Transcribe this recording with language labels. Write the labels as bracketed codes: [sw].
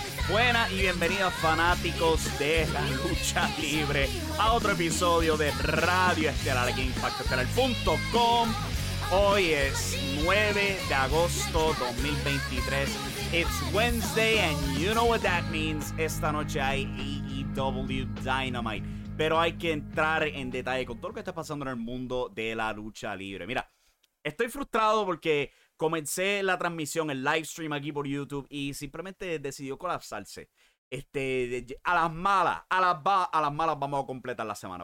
[es] Buenas y bienvenidos, fanáticos de la lucha libre, a otro episodio de Radio Estelar aquí en ImpactoEstelar.com. Hoy es 9 de agosto 2023. [en] It's Wednesday and you know what that means. [es] Esta noche hay AEW Dynamite. Pero hay que entrar en detalle con todo lo que está pasando en el mundo de la lucha libre. Mira, estoy frustrado porque comencé la transmisión, el live stream aquí por YouTube, y simplemente decidió colapsarse. A las malas vamos a completar la semana.